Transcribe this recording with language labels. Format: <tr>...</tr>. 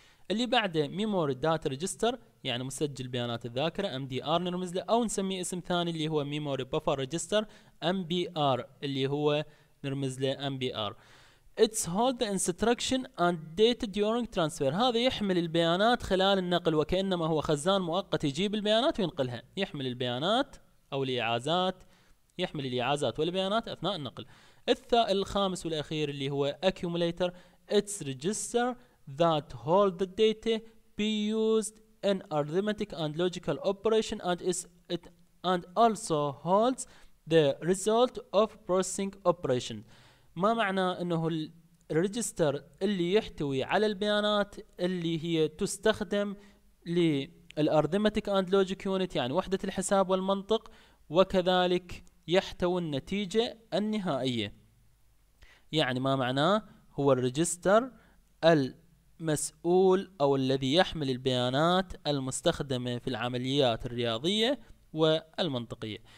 <ar>اللي بعده ميموري داتا ريجستر، يعني مسجل بيانات الذاكره ام دي ار نرمز له، او نسميه اسم ثاني اللي هو ميموري بفر ريجستر ام بي ار، اللي هو نرمز له ام بي ار.</ar> <en>it's hold the instruction and data during transfer,</en> <ar>هذا يحمل البيانات خلال النقل، وكانما هو خزان مؤقت يجيب البيانات وينقلها، يحمل البيانات او الاعازات، يحمل الاعازات والبيانات اثناء النقل. الخامس والاخير اللي هو اكيوميليتر،</ar> <en>It's register that hold the data be used in arithmetic and logical operation and is it and also holds the result of processing operation.</en> <ar>ما معنى انه الريجستر اللي يحتوي على البيانات اللي هي تستخدم للarithmetic and logic unit يعني وحدة الحساب والمنطق، وكذلك يحتوي النتيجة النهائية، يعني ما معناه هو الريجستر المسؤول أو الذي يحمل البيانات المستخدمة في العمليات الرياضية والمنطقية.</ar>